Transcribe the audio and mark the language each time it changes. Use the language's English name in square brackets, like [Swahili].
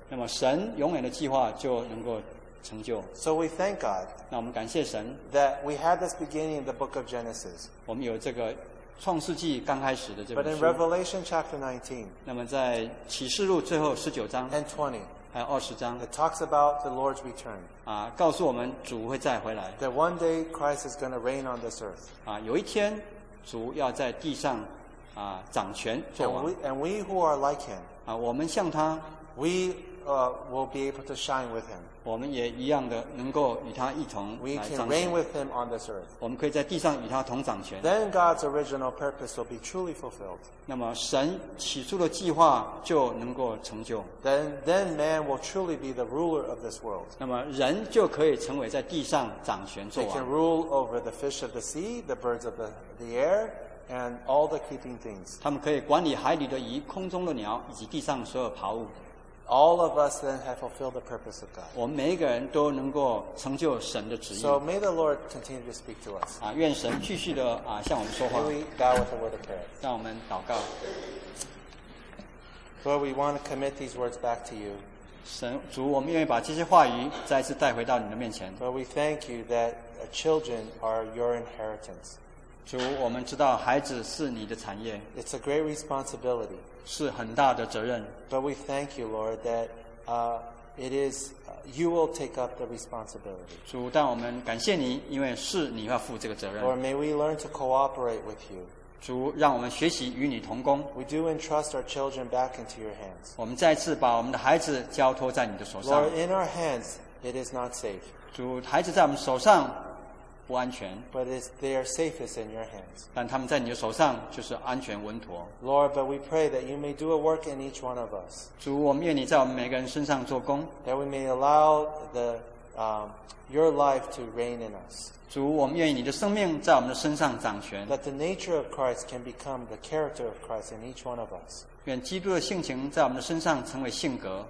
[Chinese] 那么神永远的计划就能够成就。 [English] So we thank God. [Chinese] 那我们感谢神。 [English] That we had this beginning in the book of Genesis. [Chinese] 我们有这个。创世纪刚开始的这本书。 [English] But in Revelation chapter 19, [Chinese] 那么在启示录最后十九章 [English] and 20, [Chinese] 还有二十章 [English] it talks about the Lord's return. [Chinese] 告诉我们主会再回来。 [English] That one day Christ is going to reign on this earth. [Chinese] 有一天主要在地上掌权作王。 [English] And we who are like him, [Chinese] 我们像他 [English] we, will be able to shine with him. [Chinese] 我们也一样的能够与他一同来掌权。 [English] We can reign with him on this earth. [Chinese] 我们可以在地上与他同掌权。 [English] Then God's original purpose will be truly fulfilled. [Chinese] 那么神起初的计划就能够成就。 [English] Then man will truly be the ruler of this world. [Chinese] 那么人就可以成为在地上掌权作王。 [English] They can rule over the fish of the sea, the birds of the air, and all the creeping things. [Chinese] 他们可以管理海里的鱼、空中的鸟以及地上所有爬物。 [English] All of us then have fulfilled the purpose of God. [Chinese] 我们每一个人都能够成就神的旨意。 [English] So may the Lord continue to speak to us. [Chinese] 愿神继续的向我们说话。 [English] May we bow with a word of prayer. [Chinese] 让我们祷告。 [English] Lord, we want to commit these words back to you. [Chinese] 神主，我们愿意把这些话语再次带回到你的面前。 [English] Lord, we thank you that children are your inheritance. [Chinese] 主，我们知道孩子是你的产业。 [English] It's a great responsibility. [Chinese] 是很大的责任。 [English] But we thank you, Lord, that, it is, you will take up the responsibility. [Chinese] 主，但我们感谢你，因为是你要负这个责任。 [English] Lord, may we learn to cooperate with you. [Chinese] 主，让我们学习与你同工。 [English] We do entrust our children back into your hands. [Chinese] 我们再次把我们的孩子交托在你的手上。 [English] Lord, in our hands, it is not safe. [Chinese] 主，孩子在我们手上不安全。 [English] But they are safest in your hands. [Chinese] 但他们在你的手上就是安全稳妥。 [English] Lord, but we pray that you may do a work in each one of us. [Chinese] 主，我们愿你在我们每个人身上做工。 [English] That we may allow the your life to reign in us. [Chinese] 主，我们愿意你的生命在我们的身上掌权。 [English] That the nature of Christ can become the character of Christ in each one of us. [Chinese] 愿基督的性情在我们的身上成为性格。